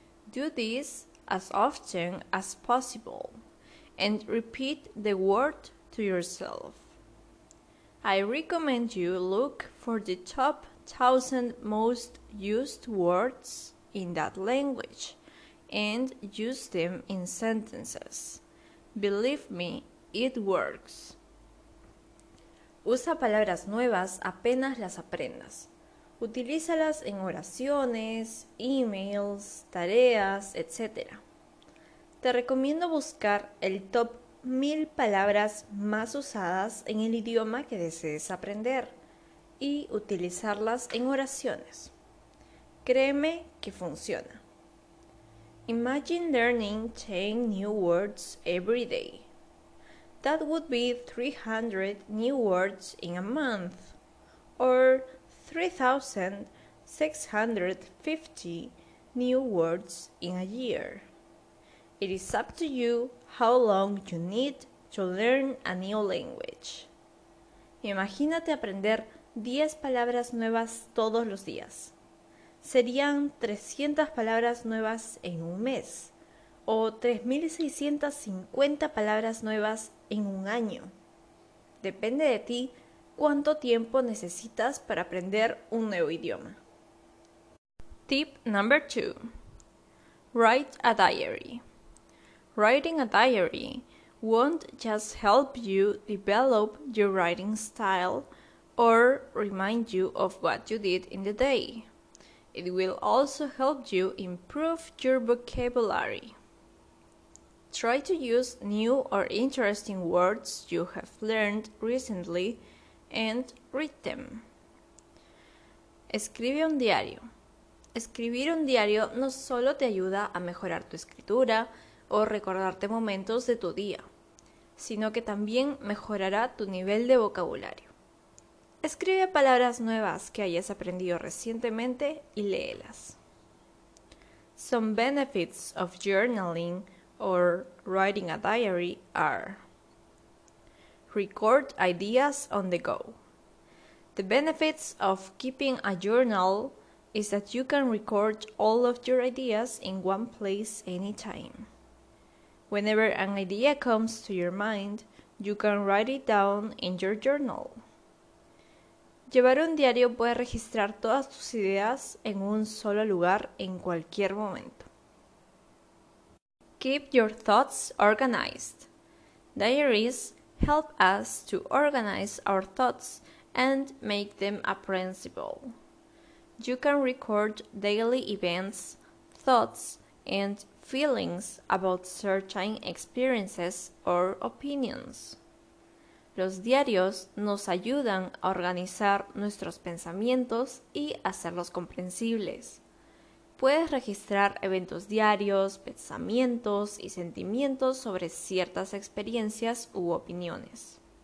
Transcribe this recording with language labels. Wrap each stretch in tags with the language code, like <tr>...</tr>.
<en>Do this as often as possible and repeat the word to yourself. I recommend you look for the top 1,000 most used words in that language and use them in sentences. Believe me, it works.</en> <es>Usa palabras nuevas apenas las aprendas. Utilízalas en oraciones, emails, tareas, etc. Te recomiendo buscar el top 1000 palabras más usadas en el idioma que desees aprender y utilizarlas en oraciones. Créeme que funciona.</es> <en>Imagine learning 10 new words every day. That would be 300 new words in a month, or 3,650 new words in a year. It is up to you how long you need to learn a new language.</en> <es>Imagínate aprender 10 palabras nuevas todos los días. Serían 300 palabras nuevas en un mes, o 3,650 palabras nuevas en un año. Depende de ti. ¿Cuánto tiempo necesitas para aprender un nuevo idioma?</es> <en>Tip number 2. Write a diary. Writing a diary won't just help you develop your writing style or remind you of what you did in the day. It will also help you improve your vocabulary. Try to use new or interesting words you have learned recently and read them.</en> <es>Escribe un diario. Escribir un diario no solo te ayuda a mejorar tu escritura o recordarte momentos de tu día, sino que también mejorará tu nivel de vocabulario. Escribe palabras nuevas que hayas aprendido recientemente y léelas.</es> <en>Some benefits of journaling or writing a diary are: record ideas on the go. The benefits of keeping a journal is that you can record all of your ideas in one place anytime. Whenever an idea comes to your mind, you can write it down in your journal.</en> <es>Llevar un diario puede registrar todas tus ideas en un solo lugar en cualquier momento.</es> <en>Keep your thoughts organized. Diaries help us to organize our thoughts and make them apprehensible. You can record daily events, thoughts, and feelings about certain experiences or opinions.</en> <es>Los diarios nos ayudan a organizar nuestros pensamientos y hacerlos comprensibles. Puedes registrar eventos diarios, pensamientos y sentimientos sobre ciertas experiencias u opiniones.</es>